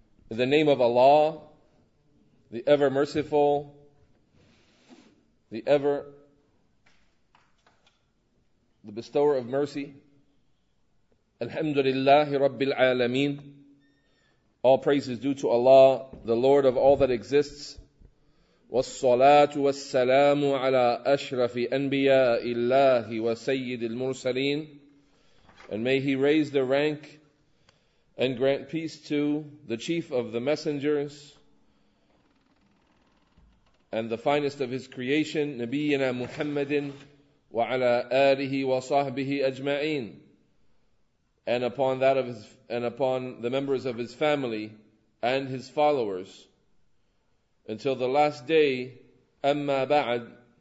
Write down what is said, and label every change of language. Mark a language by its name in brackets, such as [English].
[English] In the name of Allah, the ever merciful, the bestower of mercy. [Arabic] الحمد لله رب العالمين. [English] All praise is due to Allah, the Lord of all that exists. [Arabic] والصلاة والسلام على أشرف أنبياء الله وسيد المرسلين. [English] And may he raise the rank and grant peace to the chief of the messengers and the finest of his creation, [Arabic] Nabiyyina Muhammadin wa ala alihi wa sahbihi ajma'in, [English] and upon that of his, and upon the members of his family and his followers until the last day, [Arabic] amma ba'd.